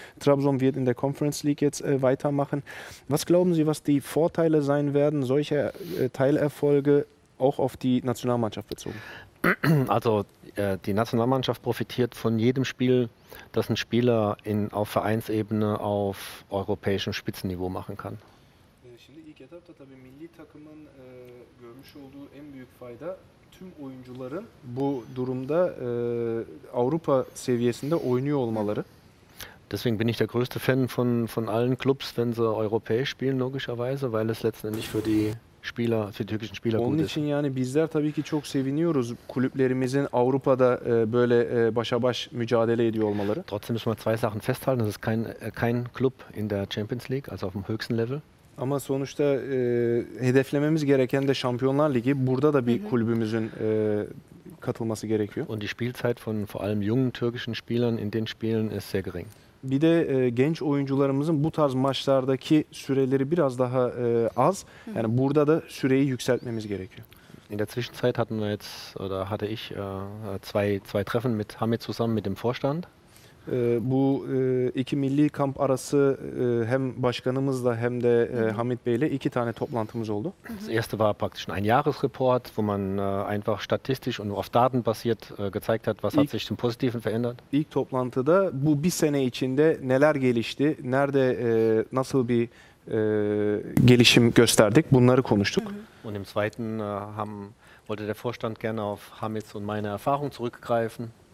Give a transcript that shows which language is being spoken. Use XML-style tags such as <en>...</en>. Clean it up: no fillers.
<de>Trabzon wird in der Conference League jetzt weitermachen. Was glauben Sie, was die Vorteile sein werden, solcher Teilerfolge auch auf die Nationalmannschaft bezogen? Also die Nationalmannschaft profitiert von jedem Spiel, das ein Spieler in, auf Vereinsebene auf europäischem Spitzenniveau machen kann.</de> <tr>Şimdi ilk etapta tabii milli takımın görmüş olduğu en büyük fayda tüm oyuncuların bu durumda Avrupa seviyesinde oynuyor olmaları.</tr> <de>Deswegen bin ich der größte Fan von allen Clubs, wenn sie europäisch spielen logischerweise, weil es letztendlich für die Spieler, für die türkischen Spieler gut ist.</de> <tr>Onun için yani bizler tabii ki çok seviniyoruz kulüplerimizin Avrupa'da böyle başa baş mücadele ediyor olmaları.</tr> <de>Trotzdem müssen wir zwei Sachen festhalten, das ist kein Club in der Champions League, also auf dem höchsten Level.</de> <tr>Ama sonuçta hedeflememiz gereken de Şampiyonlar Ligi. Burada da bir kulübümüzün katılması gerekiyor.</tr> <de>Und die Spielzeit von vor allem jungen türkischen Spielern in den Spielen ist sehr gering.</de> <tr>Bir de genç oyuncularımızın bu tarz maçlardaki süreleri biraz daha az. Yani burada da süreyi yükseltmemiz gerekiyor.</tr> <de>In der Zwischenzeit hatten wir jetzt oder hatte ich zwei Treffen mit Hamid zusammen mit dem Vorstand.</de> <tr>Bu iki milli kamp arası hem başkanımızla hem de Hamid Bey'le iki tane toplantımız oldu.</tr> <de>Das erste war praktisch ein Jahresreport, wo man einfach statistisch und auf Daten basiert gezeigt hat, was hat sich zum Positiven verändert.</de> <tr>İlk toplantıda bu bir sene içinde neler gelişti, nerede nasıl bir gelişim gösterdik, bunları konuştuk.</tr> <de>Und im zweiten wollte der Vorstand gerne auf Hamids und meine Erfahrung zurückgreifen.</de>